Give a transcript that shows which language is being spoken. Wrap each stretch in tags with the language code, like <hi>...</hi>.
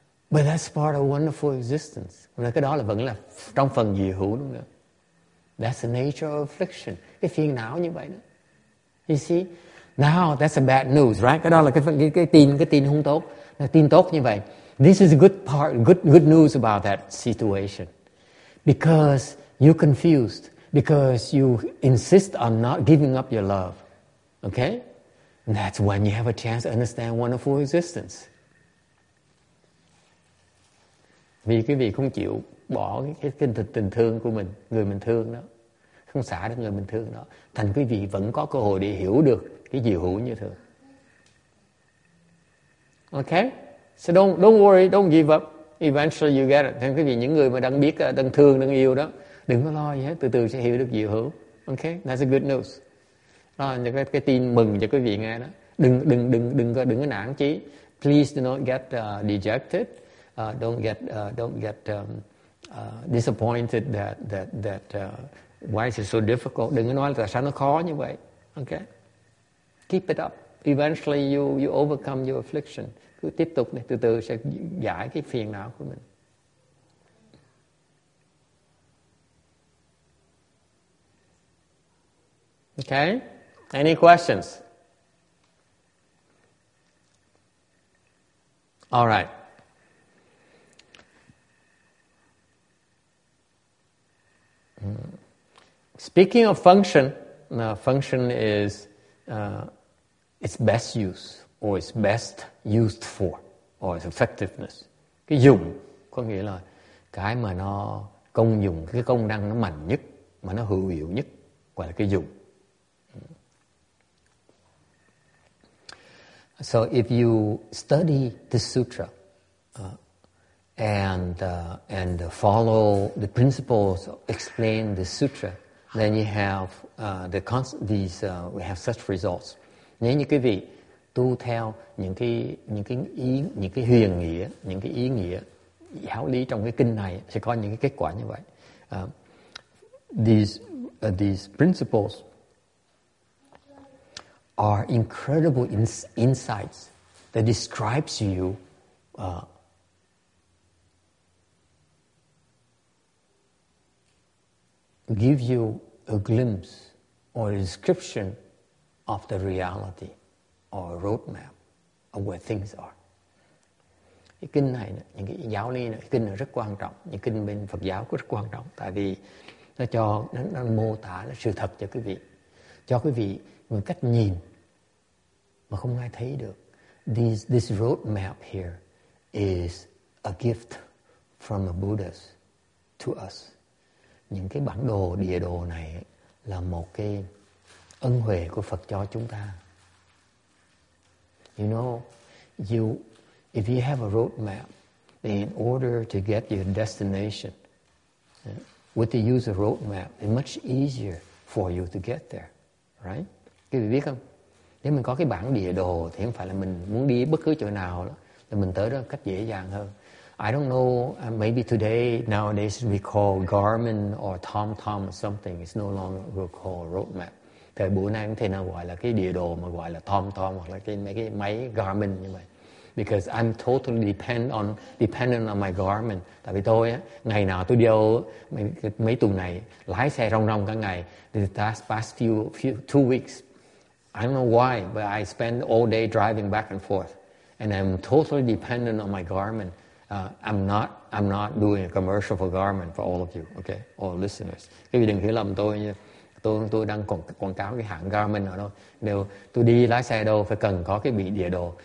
<en>But that's part of wonderful existence.</en> <vi>Là cái đó là vẫn là trong phần dị hữu đúng không?</vi> <en>That's the nature of affliction.</en> <vi>Cái phiền não như vậy đó.</vi> <en>You see? Now that's a bad news, right?</en> <vi>Cái đó là cái tin không tốt. Tin tốt như vậy.</vi> <en>This is a good part, good news about that situation. Because you're confused. Because you insist on not giving up your love. Okay? And that's when you have a chance to understand wonderful existence.</en> <vi>Vì quý vị không chịu bỏ cái tình thương của mình, người mình thương đó, không xả được người mình thương đó, thành quý vị vẫn có cơ hội để hiểu được cái diệu hữu như thường.</vi> <en>Okay? So don't worry, don't give up. Eventually you get it.</en> <vi>Thành quý vị, những người mà đang biết, đang thương, đang yêu đó, đừng có lo gì hết, từ từ sẽ hiểu được diệu hữu.</vi> <en>Okay? That's a good news.</en> <vi>Đó là cái tin mừng cho quý vị nghe đó. Đừng có nản chí.</vi> <en>Please do not get dejected. Don't get disappointed that why is it so difficult?</en> <vi>Đừng có nói là tại sao nó khó như vậy.</vi> <en>Okay, keep it up. Eventually you overcome your affliction.</en> <vi>Cứ tiếp tục này, từ từ sẽ giải cái phiền não của mình.</vi> <en>Okay, any questions? All right. Speaking of function, function is its best use or its best used for or its effectiveness.</en> <vi>Cái dùng có nghĩa là cái mà nó công dụng, cái công năng nó mạnh nhất mà nó hữu hiệu nhất gọi là cái dụng.</vi> <en>So if you study the sutra and follow the principles explain the sutra, then you have we have such results.</en> <vi>Nếu như quý vị tu theo những cái huyền nghĩa, những cái ý nghĩa giáo lý trong cái kinh này sẽ có những cái kết quả như vậy.</vi> <en>These principles are incredible insights that describes you give you a glimpse or a description of the reality or a roadmap of where things are.</en> <vi>Cái kinh này, những cái giáo lý này, kinh này rất quan trọng, những kinh bên Phật giáo cũng rất quan trọng, tại vì nó mô tả là sự thật cho quý vị một cách nhìn mà không ai thấy được.</vi> <en>This road map here is a gift from the Buddha to us.</en> <vi>Những cái bản đồ, địa đồ này là một cái ân huệ của Phật cho chúng ta.</vi> <en>You know, if you have a road map, in order to get your destination, with the use of road map, it's much easier for you to get there, right?</en> <vi>Quý vị biết không? Nếu mình có cái bản địa đồ thì không phải là mình muốn đi bất cứ chỗ nào đó, thì mình tới đó cách dễ dàng hơn.</vi> <en>I don't know, maybe today, nowadays we call Garmin or TomTom or something. It's no longer called roadmap.</en> <vi>Thời buổi nay cũng thể nào gọi là cái địa đồ mà gọi là TomTom hoặc là mấy cái máy Garmin như vậy.</vi> <en>Because I'm totally dependent on my Garmin.</en> <vi>Tại vì tôi ngày nào tôi đi đâu mấy tuần này lái xe rong rong cả ngày.</vi> <en>The past few 2 weeks, I don't know why, but I spend all day driving back and forth, and I'm totally dependent on my Garmin. I'm not doing a commercial for Garmin for all of you, okay, all listeners.</en> <vi>Quý vị đừng hiểu lầm tôi nha. Tôi đang quảng cáo cái hãng Garmin ở đâu. Nếu tôi đi lái xe đâu phải cần có cái bị địa đồ.</vi>